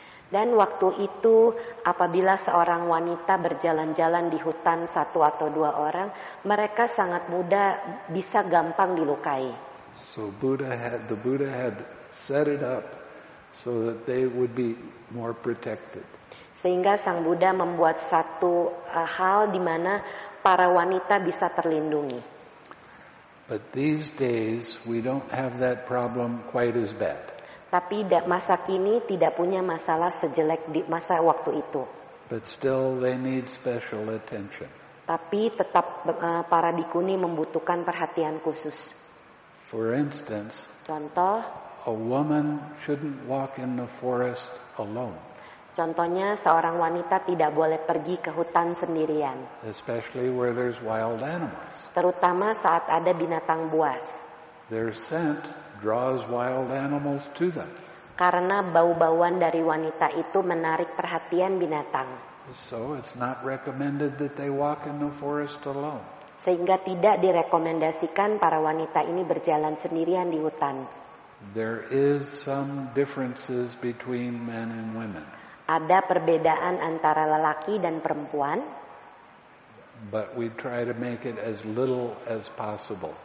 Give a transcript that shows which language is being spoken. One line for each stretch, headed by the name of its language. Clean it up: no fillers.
Indonesian: Dan waktu itu apabila seorang wanita berjalan-jalan di hutan satu atau dua orang, mereka sangat mudah bisa gampang dilukai.
English: So the Buddha had set it up so that they would be more protected.
Indonesian: Sehingga Sang Buddha membuat satu hal di mana para wanita bisa terlindungi.
English: But these days we don't have that problem quite as bad.
Indonesian: Tapi masa kini tidak punya masalah sejelek di masa waktu itu.
English: But still they need special attention.
Indonesian: Tapi tetap para bikuni membutuhkan perhatian khusus.
English: For instance,
Indonesian: contoh,
English: a woman shouldn't walk in the forest alone.
Indonesian: Contohnya seorang wanita tidak boleh pergi ke hutan sendirian.
English: Especially where there's wild animals.
Indonesian: Terutama saat ada binatang buas.
English: Their scent draws wild animals to them.
Indonesian: Karena bau-bauan dari wanita itu menarik perhatian binatang.
English: So it's not recommended that they walk in the forest alone.
Indonesian: Sehingga tidak direkomendasikan para wanita ini berjalan sendirian di hutan.
English: There is some differences between men and women.
Indonesian: Ada perbedaan antara lelaki dan perempuan.
English: But we try to make it as little as possible.